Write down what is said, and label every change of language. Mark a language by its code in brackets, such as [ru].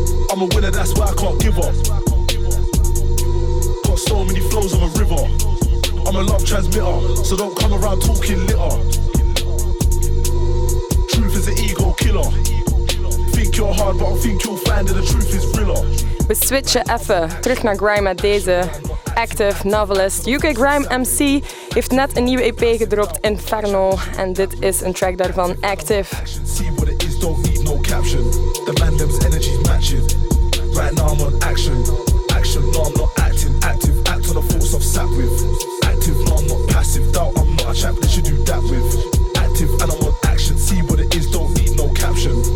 [en] I'm a winner, that's why I can't give up. Got so many flows on a river. I'm a love transmitter, so don't come around talking litter. Truth is an ego killer. Think you're hard, but I think you'll find that the truth is realer. [nl] We switchen even terug naar grime met deze. Active novelist, UK Grime MC, heeft net een nieuwe EP gedropt, Inferno. En dit is een track daarvan, Active. [en] See what it is, don't need no caption. The mandem's energy's matching. Right now I'm on action. Action, no I'm not acting. Active, act on the force of sap with. Active, no I'm not passive. Doubt I'm not a champ, let you do that with. Active and I'm on action. See what it is, don't need no caption.